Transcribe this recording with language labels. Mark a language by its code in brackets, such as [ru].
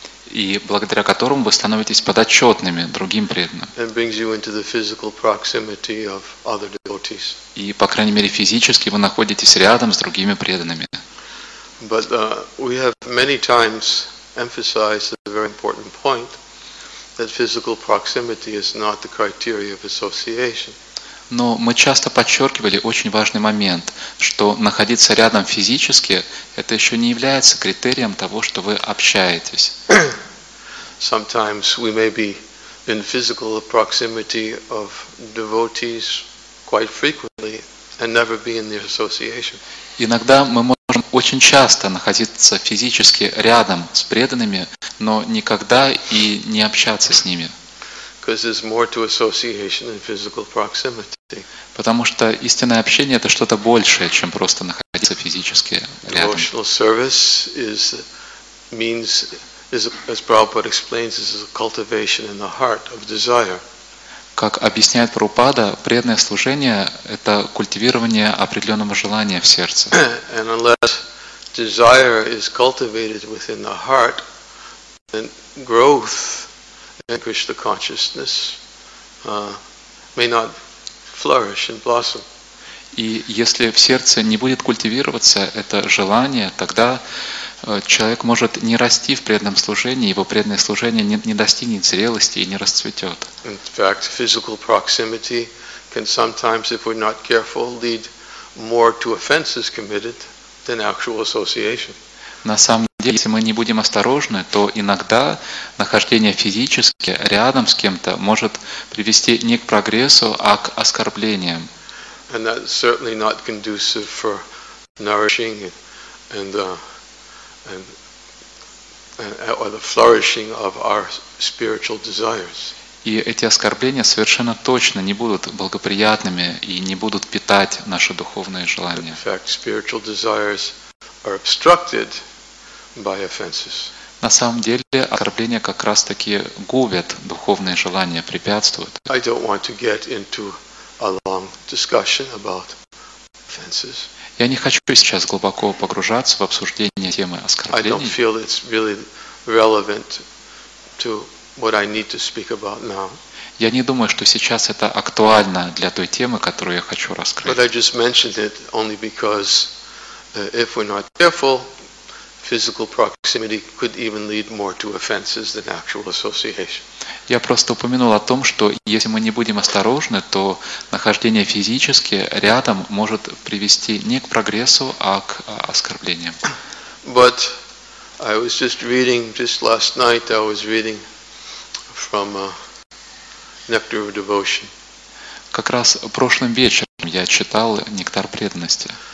[ru] и благодаря которому вы становитесь подотчетными другим преданным. [en] And brings you into the physical proximity of other devotees. [ru] И, по крайней мере, физически вы находитесь рядом с другими преданными. [en] But we have many times emphasized a very important point that physical proximity is not the criteria of association. [ru] Но мы часто подчеркивали очень важный момент, что находиться рядом физически это еще не является критерием того, что вы общаетесь. [en] Sometimes we may be in physical proximity of devotees quite frequently and never be in their association. [ru] Иногда мы можем очень часто находиться физически рядом с преданными, но никогда и не общаться с ними. [en] Because there's more to association than physical proximity. [ru] Потому что истинное общение — это что-то большее, чем просто находиться физически рядом. [en] Devotional service means, as Prabhupada explains, is a cultivation in the heart of desire. [ru] Как объясняет Прабхупада, преданное служение — это культивирование определенного желания в сердце. [en] And unless desire is cultivated within the heart, then growth in Krishna consciousness may not flourish and blossom. [ru] И если в сердце не будет культивироваться это желание, тогда человек может не расти в преданном служении, его преданное служение не достигнет зрелости и не расцветет. [en] In fact, physical proximity can sometimes, if we're not careful, lead more to offenses committed than actual association. [ru] На самом деле, если мы не будем осторожны, то иногда нахождение физически рядом с кем-то может привести не к прогрессу, а к оскорблениям. [en] And that's certainly not conducive for nourishing and the flourishing of our spiritual desires. [ru] И эти оскорбления совершенно точно не будут благоприятными и не будут питать наши духовные желания. [en] In fact, spiritual desires are obstructed by offenses. [ru] На самом деле, оскорбления как раз-таки губят духовные желания, препятствуют. [en] I don't want to get into a long discussion about offenses. [ru] Я не хочу сейчас глубоко погружаться в обсуждение темы оскорблений. [en] I don't feel it's really relevant to what I need to speak about now. [ru] Я не думаю, что сейчас это актуально для той темы, которую я хочу раскрыть. [en] But I just mentioned it only because if we're not careful, physical proximity could even lead more to offenses than actual association. [ru] Я просто упомянул о том, что если мы не будем осторожны, то нахождение физически рядом может привести не к прогрессу, а к оскорблениям. [en] But I was just reading just last night. I was reading from Nectar of Devotion. [ru] Как раз прошлым вечером я читал Нектар преданности.